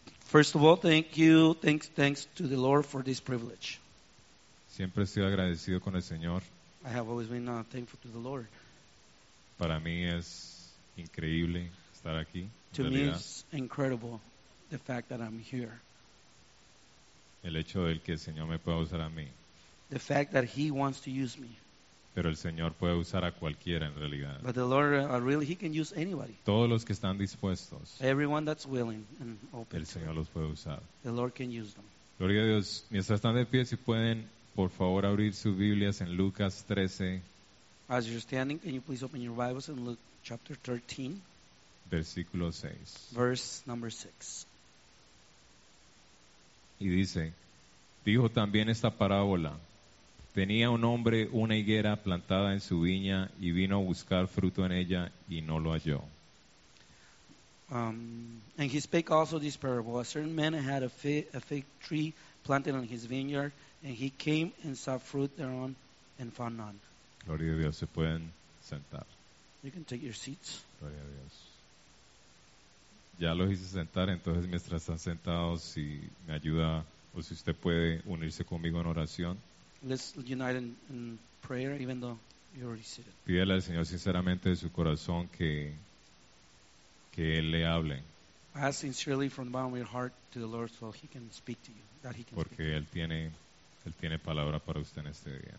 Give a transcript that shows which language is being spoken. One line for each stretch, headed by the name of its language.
English: First of all, thanks to the Lord for this privilege.
Spanish: Siempre he sido agradecido con el Señor.
English: I have always been thankful to the Lord.
Spanish: Para mí es increíble estar aquí.
English: To me it's incredible the fact that I'm here.
Spanish: El hecho del que el Señor me pueda usar a mí.
English: The fact that he wants to use me.
Spanish: Pero el Señor puede usar a cualquiera en realidad.
English: But the Lord, really, he can use anybody.
Spanish: Todos los que están dispuestos.
English: Everyone that's willing and open.
Spanish: El Señor los puede usar.
English: The Lord can use them.
Spanish: Gloria a Dios. Mientras están de pie, si pueden, por favor, abrir sus Biblias en Lucas 13.
English: As you're standing, can you please open your Bibles in Luke chapter 13?
Spanish: Versículo 6.
English: Verse number 6.
Spanish: Y dice, dijo también esta parábola. Tenía un hombre una higuera plantada en su viña y vino a buscar fruto en ella y no lo halló.
English: And he spake also this parable. A certain man had a fig tree planted in his vineyard, and he came and saw fruit thereon and found none.
Spanish: Gloria a Dios, se pueden sentar.
English: You can take your seats.
Spanish: Gloria a Dios. Ya los hice sentar, entonces mientras están sentados, si me ayuda o si usted puede unirse conmigo en oración.
English: Let's unite in prayer, even though you're already seated.
Spanish: Pídele al Señor sinceramente de su corazón que Él le hable.
English: Ask sincerely from the bottom of your heart to the Lord so He can speak to you, that He can
Spanish: Porque
English: speak.
Spanish: Porque Él tiene palabra para usted en este día.